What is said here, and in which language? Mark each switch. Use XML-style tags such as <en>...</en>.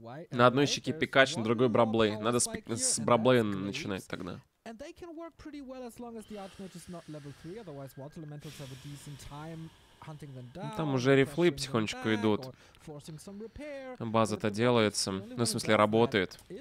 <ru>На одной щеке Пикач, на другой Браблей. Надо с Браблей начинать тогда.</ru> <en>And they can work pretty well as long as the Archmage is not level 3, otherwise Water Elementals have a decent time hunting them down.</en> <ru>Там уже рифлы потихонечку идут. База-то делается, ну, в смысле, работает.</ru>